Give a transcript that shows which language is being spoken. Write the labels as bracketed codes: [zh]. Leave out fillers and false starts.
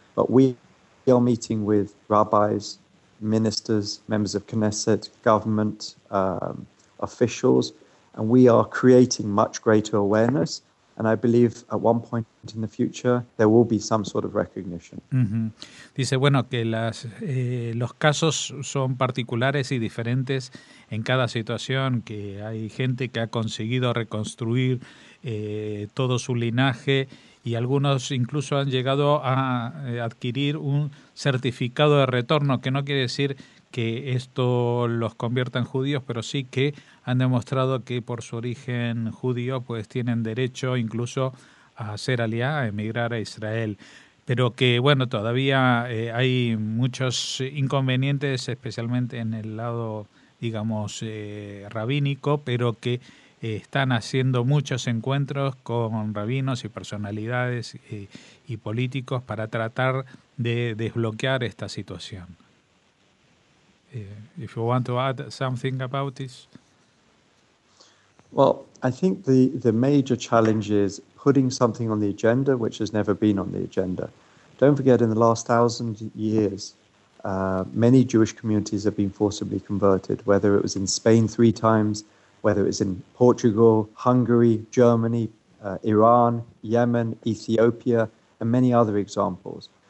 [en] But we are meeting with rabbis, ministers, members of Knesset, government, officials, and we are creating much greater awareness. And I believe at one point in the future, there will be some sort of recognition. Mm-hmm. [es] Dice, bueno, que las, los casos son particulares y diferentes en cada situación, que hay gente que ha conseguido reconstruir todo su linaje y algunos incluso han llegado a adquirir un certificado de retorno, que no quiere decir que esto los convierta en judíos, pero sí que han demostrado que por su origen judío pues tienen derecho incluso a hacer aliá, a emigrar a Israel. Pero que, bueno, todavía hay muchos inconvenientes, especialmente en el lado, digamos, rabínico, pero que están haciendo muchos encuentros con rabinos y personalidades y políticos para tratar de desbloquear esta situación. [en] If you want to add something about this. Well, I think the major challenge is putting something on the agenda which has never been on the agenda. Don't forget, in the last 1,000 years, many Jewish communities have been forcibly converted, whether it was in Spain 3 times, whether it was in Portugal, Hungary, Germany, Iran, Yemen, Ethiopia, and many other examples.